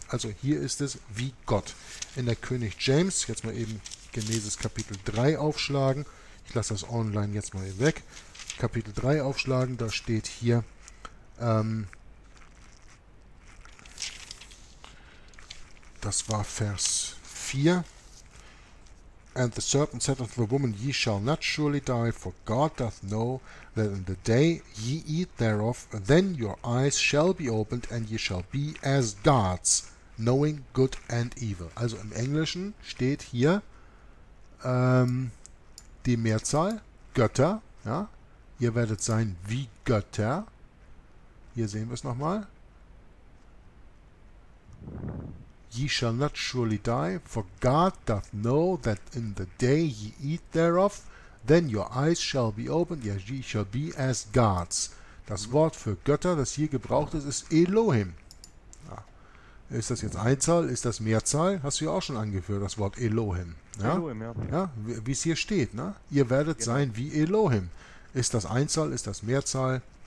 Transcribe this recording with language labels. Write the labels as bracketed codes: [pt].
[de] Also hier ist es wie Gott. In der König James, jetzt mal eben Genesis Kapitel 3 aufschlagen, ich lasse das online jetzt mal weg. Kapitel 3 aufschlagen, da steht hier, das war Vers 4. [en] And the serpent said unto the woman, ye shall not surely die, for God doth know that in the day ye eat thereof, then your eyes shall be opened, and ye shall be as gods, knowing good and evil. [de] Also im Englischen steht hier, die Mehrzahl, Götter, ja, ihr werdet sein wie Götter. Hier sehen wir es nochmal. [en] ye shall not surely die, for God doth know that in the day ye eat thereof, then your eyes shall be opened, yes, ye shall be as gods. [de] Das Wort für Götter, das hier gebraucht ist, ist Elohim. Ja. Ist das jetzt Einzahl, ist das Mehrzahl? Hast du ja auch schon angeführt, das Wort Elohim. Ja? Elohim, ja. Ja? Wie es hier steht, ne? Ihr werdet genau sein wie Elohim. Ist das Einzahl, ist das Mehrzahl?